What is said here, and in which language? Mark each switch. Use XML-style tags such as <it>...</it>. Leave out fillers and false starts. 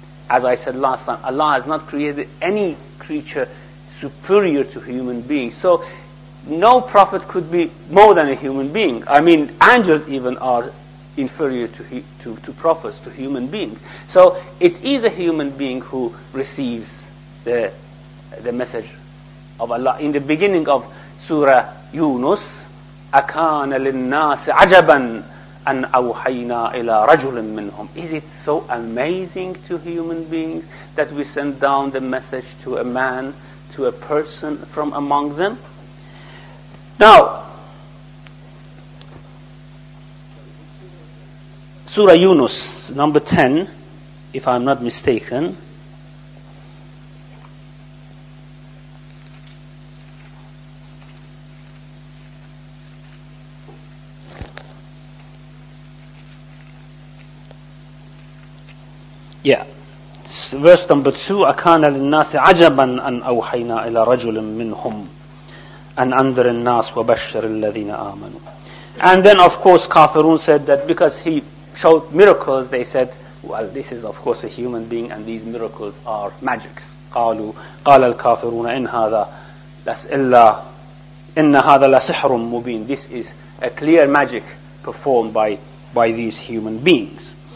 <en>As I said last time, Allah has not created any creature superior to human beings. So, no prophet could be more than a human being. I mean, angels even are inferior to prophets, to human beings. So, it is a human being who receives the message of Allah. In the beginning of Surah Yunus,</en> <ar>أَكَانَ لِلنَّاسِ عَجَبًا أَنْ أَوْحَيْنَا إِلَىٰ رَجُلٍ مِّنْهُمْ.</ar> <en>Is it so amazing to human beings that we send down the message to a man, to a person from among them? Now, Surah Yunus, number 10, if I'm not mistaken. Yeah. Verse number 2,</en> <ar>أَكَانَ لِلنَّاسِ عَجَبًا أَنْ أَوْحَيْنَا إِلَىٰ رَجُلٍ مِّنْهُمْ أَنْ أَنْذِرِ النَّاسِ وَبَشِّرِ الَّذِينَ آمَنُوا.</ar> <en>And then of course Kafirun said that because he showed miracles, they said, well, this is of course a human being and these miracles are magics.</en> <ar>قَالُوا قَالَ الْكَافِرُونَ إِنْ هَذَا لَسْإِلَّا إِنَّ هَذَا لَسِحْرٌ مُّبِينٌ.</ar> <en>This is a clear magic performed by these human beings.</en>